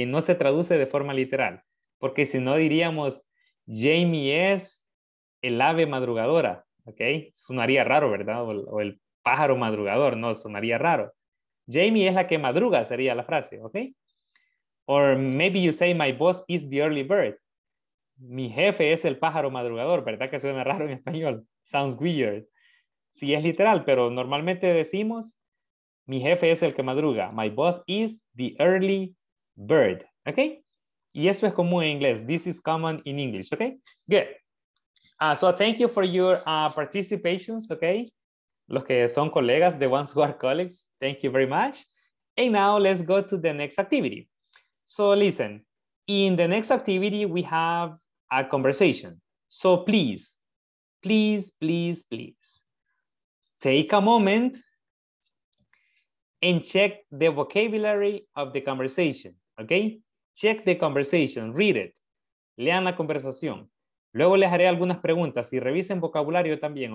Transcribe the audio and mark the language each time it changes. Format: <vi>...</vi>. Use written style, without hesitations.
<es>No se traduce de forma literal, porque si no diríamos, Jamie es el ave madrugadora, ¿ok? Sonaría raro, ¿verdad? O el pájaro madrugador, no, sonaría raro. Jamie es la que madruga, sería la frase, ¿ok?</es> <en>Or maybe you say, my boss is the early bird.</en> <es>Mi jefe es el pájaro madrugador, ¿verdad? Que suena raro en español.</es> <en>Sounds weird.</en> <es>Sí, es literal, pero normalmente decimos, mi jefe es el que madruga.</es> <en>My boss is the early bird. ¿Ok?</en> <es>Y esto es común en inglés.</es> <en>This is common in English.</en> <es>¿Ok? Good.</es> <en>So thank you for your participations. ¿Ok?</en> <es>Los que son colegas,</es> <en>the ones who are colleagues. Thank you very much. And now let's go to the next activity. So listen. In the next activity, we have a conversation. So please, please, please, please take a moment and check the vocabulary of the conversation. Okay? Check the conversation. Read it.</en> <es>Lean la conversación. Luego les haré algunas preguntas y revisen vocabulario también.</es>